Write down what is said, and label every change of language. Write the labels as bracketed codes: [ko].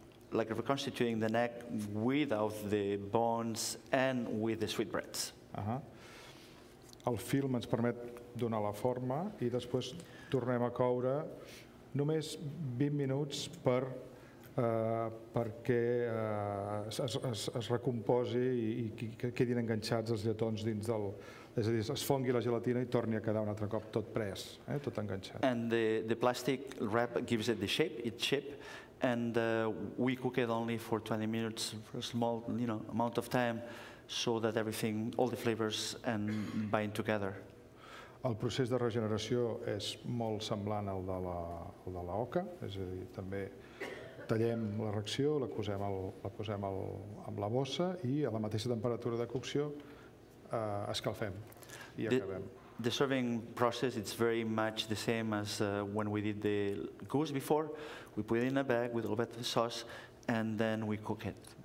[en] Like reconstituting the neck without the bones and with the sweetbreads. [ca] El film ens permet donar la forma i després tornem a coure només 20 minuts perquè es recomposi i quedin enganxats els lletons dins del... És a dir, es fongui la gelatina i torni a quedar un altre cop tot pres, tot enganxat. [en] And the plastic wrap gives it the shape, its shape, and we cook it only for 20 minutes, for a small, you know, amount of time, so that everything, all the flavors, and bind together. [ca] El procés de regeneració és molt semblant al de l'oca, és a dir, també tallem la reacció, la posem amb la bossa i a la mateixa temperatura de cocció escalfem i acabem. [en] The serving process is very much the same as when we did the goose before. We put it in a bag with a little bit of sauce and then we cook it.